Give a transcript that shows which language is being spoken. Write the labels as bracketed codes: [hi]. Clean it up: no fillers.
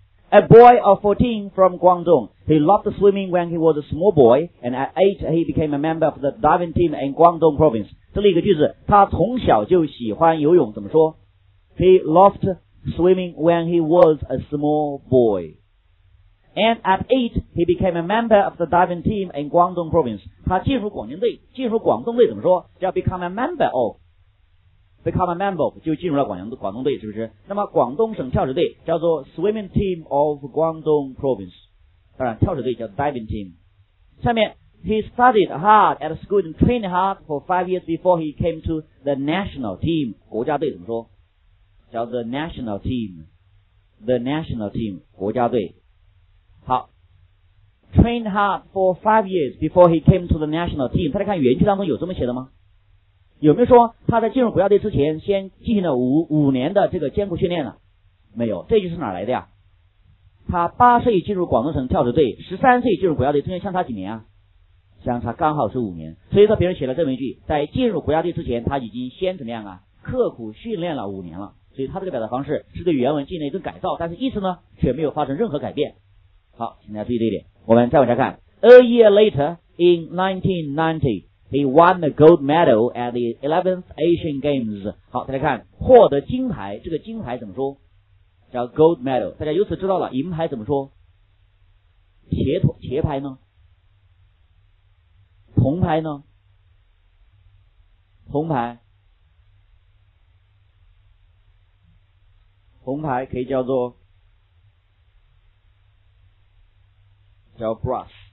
[en] A boy of 14 from Guangdong， he loved swimming when he was a small boy and at 8 he became a member of the diving team in Guangdong province。 [zh] 这里一个句子，他从小就喜欢游泳，怎么说？ [en] He loved swimming when he was a small boy and at 8 he became a member of the diving team in Guangdong province。 [zh] 他进入广宁队，进入广东队怎么说？ [en] 叫 become a member of， become a member of， [zh] 就进入了广东队，是不是？那么广东省跳水队叫做 [en] swimming team of Guangdong province， [zh] 当然跳水队叫 diving team。 [en] 下面 he studied hard at school and trained hard for 5 years before he came to the national team。 [zh] 国家队怎么说？叫 [en] the national team， the national team， [zh] 国家队。 [en] 好， trained hard for 5 years before he came to the national team。 [zh] 大家看原句当中有这么写的吗？有没有说他在进入国家队之前先进行了 五年的这个艰苦训练呢？没有。这句是哪来的呀？他八岁进入广东省跳水队，13岁进入国家队，中间相差几年啊？相差刚好是5年。所以说别人写了这么一句，在进入国家队之前他已经先怎么样啊，刻苦训练了5年了。所以他这个表达方式是对原文进行了一顿改造，但是意思呢却没有发生任何改变。好，请大家注意这一点。我们再往下看。 [en] A year later in 1990 he won the gold medal at the 11th Asian Games。 [zh] 好，大家看获得金牌，这个金牌怎么说？叫 gold medal。大家由此知道了银牌怎么说，铁牌呢，铜牌呢，铜牌，铜牌可以叫做叫 brass。